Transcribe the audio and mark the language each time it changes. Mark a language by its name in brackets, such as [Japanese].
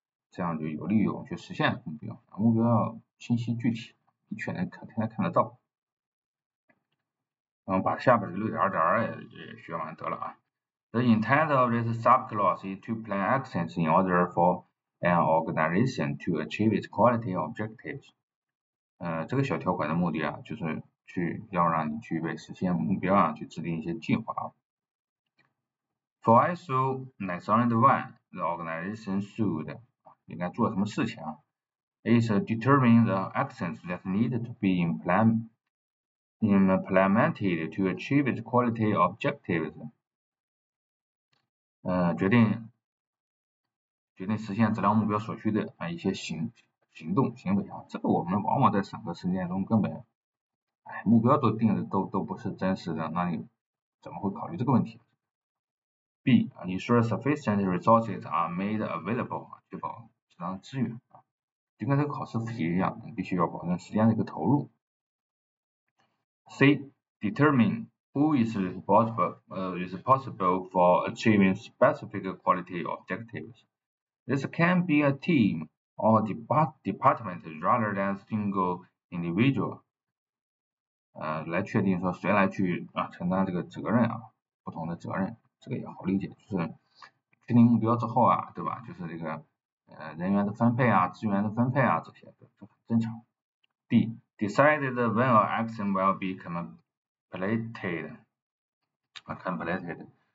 [Chinese] 这样就有利于我们去实现目标，目标要清晰具体，你确能看，天天看得到。然后把下边的6.2.2也学完得了啊。 [English] The intent of this subclause is to plan actions in order for an organization to achieve its quality objectives。 [Chinese] 这个小条款的目的啊，就是去要让你具备实现目标啊，去制定一些计划。 [English] For ISO 9001, the organization should. [Chinese] 应该做什么事情啊 [English] ？Is determining the actions that need to be implemented to achieve its quality objectives。 [Chinese] 决定实现质量目标所需的啊一些行动行为啊，这个我们往往在审核实践中根本，目标都定的都不是真实的，那你怎么会考虑这个问题 ？ [English] B ensure sufficient resources are made available， [Chinese] 确保。适当资源，就跟这个考试复习一样，你必须要保证时间的一个投入。 [English] C. Determine who is responsible for achieving specific quality objectives. This can be a team or department rather than single individual. [Chinese] 来确定说谁来去啊承担这个责任啊，不同的责任，这个也好理解，就是确定目标之后啊，对吧？就是这个。人员的分配啊，资源的分配啊，这些都很正常。 [English] D. Decided when an action will be completed. Completed.